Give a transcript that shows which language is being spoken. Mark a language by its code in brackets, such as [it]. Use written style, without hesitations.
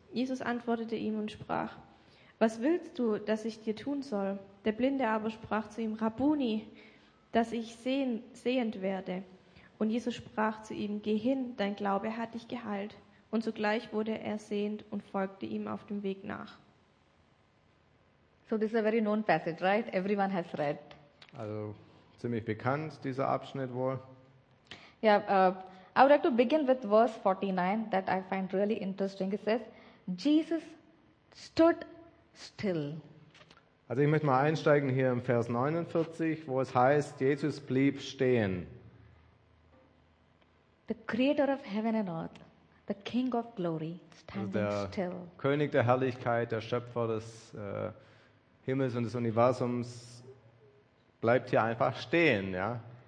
[de] Jesus antwortete ihm und sprach, was willst du, dass ich dir tun soll? Der Blinde aber sprach zu ihm, Rabuni, dass ich sehend werde. Und Jesus sprach zu ihm, geh hin, dein Glaube hat dich geheilt. Und sogleich wurde er sehend und folgte ihm auf dem Weg nach. [en] So this is a very known passage, right? Everyone has read. [de] Also ziemlich bekannt, dieser Abschnitt wohl. [en] Yeah, I would like to begin with verse 49 that I find really interesting. It says, Jesus stood still. [de] Also ich möchte mal einsteigen hier im Vers 49, wo es heißt, Jesus blieb stehen. [en] The creator of heaven and earth, the king of glory, standing still. [de] Also der König der Herrlichkeit, der Schöpfer des Himmels und des Universums bleibt hier einfach stehen, ja.